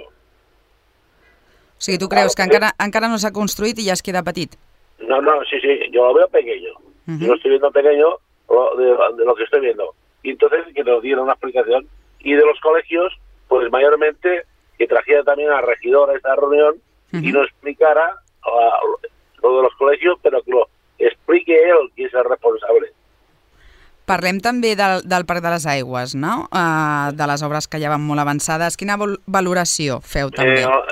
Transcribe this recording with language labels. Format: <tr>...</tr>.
<ca>O sigui, tu creus que encara no s'ha construït i ja es queda petit?</ca> <es>No, sí, yo lo veo pequeño. Yo estoy viendo pequeño de lo que estoy viendo. Y entonces que nos dieron una explicación. Y de los colegios, pues mayormente que trajera también al regidor a esta reunión y nos explicara lo de los colegios, pero que lo explique él, que es el responsable.</es> <ca>Parlem també del Parc de les Aigües, no? De les obres que ja van molt avançades. Quina valoració feu també?</ca>